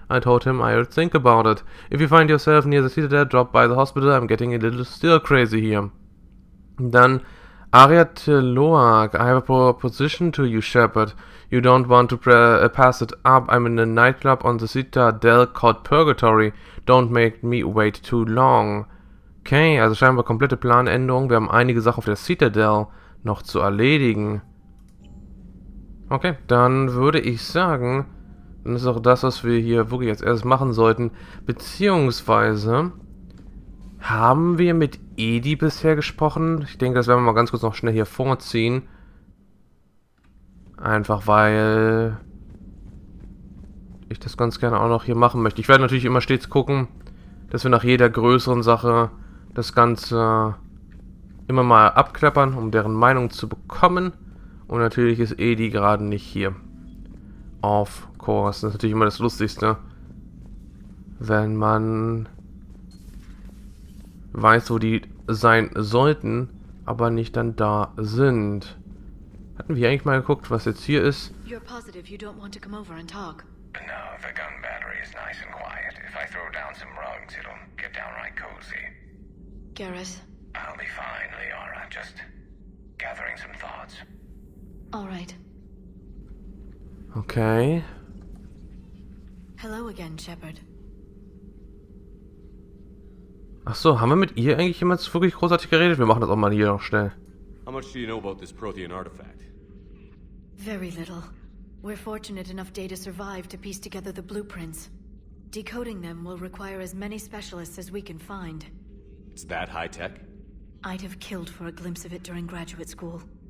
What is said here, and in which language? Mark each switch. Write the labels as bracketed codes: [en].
[en] I told him I would think about it. If you find yourself near the Citadel, drop by the hospital. I'm getting a little still crazy here. Then Aria Teloak, I have a proposition to you, Shepard. You don't want to pass it up. I'm in a nightclub on the Citadel called Purgatory. Don't make me wait too long. [de] Okay, also scheinbar komplette Planänderung. Wir haben einige Sachen auf der Citadel noch zu erledigen. Okay, dann würde ich sagen, dann ist auch das, was wir hier wirklich als erstes machen sollten. Beziehungsweise, haben wir mit Edi bisher gesprochen? Ich denke, das werden wir mal ganz kurz noch schnell hier vorziehen. Einfach weil ich das ganz gerne auch noch hier machen möchte. Ich werde natürlich immer stets gucken, dass wir nach jeder größeren Sache das Ganze immer mal abklappern, um deren Meinung zu bekommen. Und natürlich ist Edi gerade nicht hier. [en] Of course. [de] Das ist natürlich immer das Lustigste. Wenn man weiß, wo die sein sollten, aber nicht dann da sind. Hatten wir eigentlich mal geguckt, was jetzt hier ist? [en] You're positive you don't want to come over and talk. No, the gun battery is nice and quiet. If I throw down some rugs, it'll get downright cozy. Garrus. I'll be fine, Leora. Just gathering some thoughts. All right. Okay. Hello again, Shepard. [de] Ach so, haben wir mit ihr eigentlich jemals wirklich großartig geredet? Wir machen das auch mal hier noch schnell. [en] How much do you know about this Prothean artifact? Very little. We're fortunate enough data survived to piece together the blueprints. Decoding them will require as many specialists as we can find. It's that high tech? I'd have killed for a glimpse of it during graduate school.